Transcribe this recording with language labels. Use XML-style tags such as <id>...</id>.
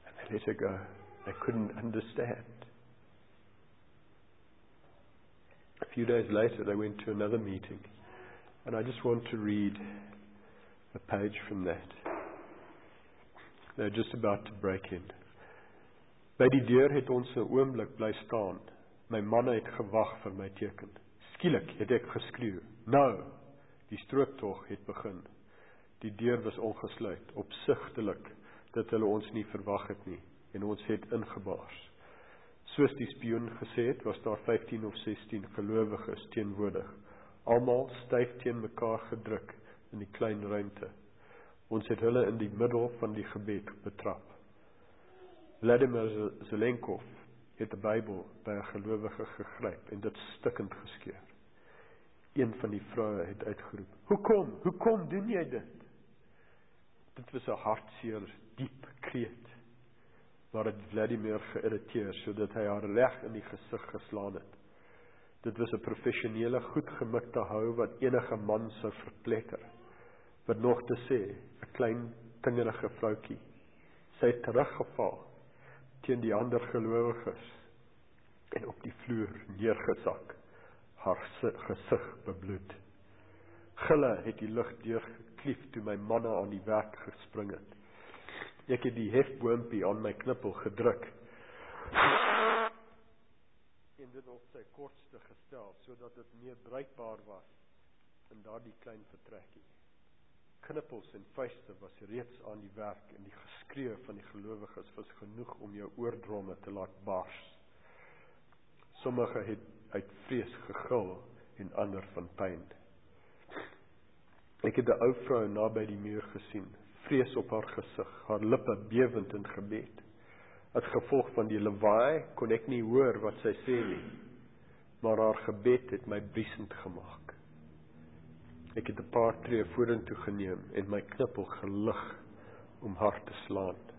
<en>Let her go. They couldn't understand. A few days later, they went to another meeting, and I just want to read a page from that. They're just about to break in.</en> <af>By die deur het ons 'n oomblik bly staan. My manne het gewag vir my teken. Skielik het ek geskreeu. Nou, die strooptog het begin. Die deur was ongesluit, opsigtelik dat hulle ons nie verwag het nie. En ons het ingebaars. Soos die spioen gesê het, was daar 15 of 16 gelowiges teenwoordig, almal styf teen mekaar gedruk in die klein ruimte. Ons het hulle in die middel van die gebed betrap. Vladimir Zelenkov het die Bybel by 'n gelowige gegryp en dit stikkend geskeur. Een van die vroue het uitgeroep, "Hoekom? Hoekom doen jy dit?" Dit was 'n hartseer, diep kreet, waar het Vladimir geïrriteer, sodat hy haar reg in die gesig geslaan het. Dit was 'n professionele, goed gemikte hou, wat enige man sou verpletter. Wat nog te sê, 'n klein, tingerige vroukie, sy het teruggeval, teen die ander gelowiges, en op die vloer neergesak, haar gesig bebloed. Gille het die lucht deurgeklief, toe my manne aan die werk gespring het. Ek het die hefboompie aan my knippel gedruk, en dit op sy kortste gestel, sodat dit meer bruikbaar was, in daardie klein vertrekkie. Knippels en vuiste was reeds aan die werk, en die geskreeu van die gelowiges was genoeg om jou oordromme te laat bars. Sommige het uit vrees gegil, en ander van pyn. Ek het die ou vrou naby die muur gesien, vrees op haar gesig, haar lippe bewend in gebed. Het gevolg van die lawaai kon ek nie hoor wat sy sê nie, maar haar gebed het my briesend gemaak. Ek het 'n paar tree vorentoe geneem en my knippel gelig om haar te slaan.</af>